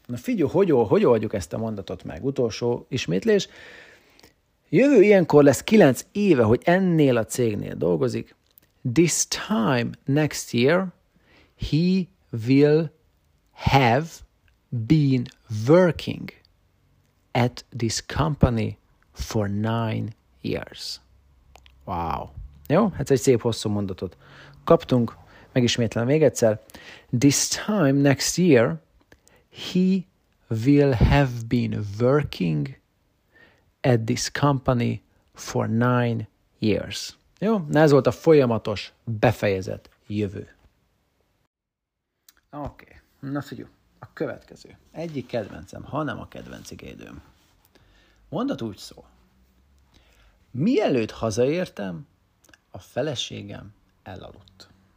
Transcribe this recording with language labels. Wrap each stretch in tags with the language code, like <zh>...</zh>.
<hu>Na figyelj, hogy oldjuk ezt a mondatot meg? Utolsó ismétlés. Jövő ilyenkor lesz 9 éve, hogy ennél a cégnél dolgozik.</hu> <en>This time next year, he will have been working at this company for 9 years. Wow.</en> <hu>Jó, hát egy szép hosszú mondatot kaptunk. Megismétlem még egyszer.</hu> <en>This time next year, he will have been working at this company for 9 years.</en> <hu>Jó, na ez volt a folyamatos befejezett jövő. Oké. Na figyelj, a következő. Egyik kedvencem, hanem a kedvenc igédőm. Mondat úgy szól. Mielőtt hazaértem, a feleségem elaludt.</hu>